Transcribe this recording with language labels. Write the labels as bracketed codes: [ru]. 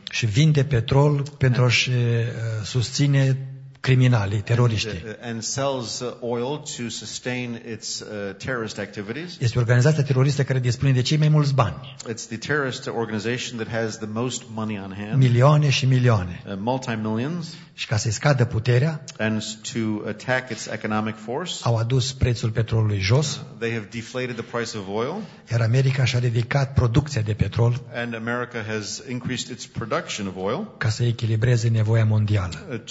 [ro] Și vinde petrol pentru a-și susține criminali, teroriști. [en] And sells oil to sustain its terrorist activities. [ro] Este organizația teroristă care dispune de cei mai mulți bani. [en] It's the terrorist organization that has the most money on hand. [ro] Milioane și milioane. [en] Multi-millions. [ro] Și ca să-i scadă puterea, [en] and to attack its economic force, [ro] au adus prețul petrolului jos. [en] They have deflated the price of oil. [ro] Iar America și-a ridicat producția de petrol. [en] And America has increased its production of oil. [ro] Ca să echilibreze nevoia mondială.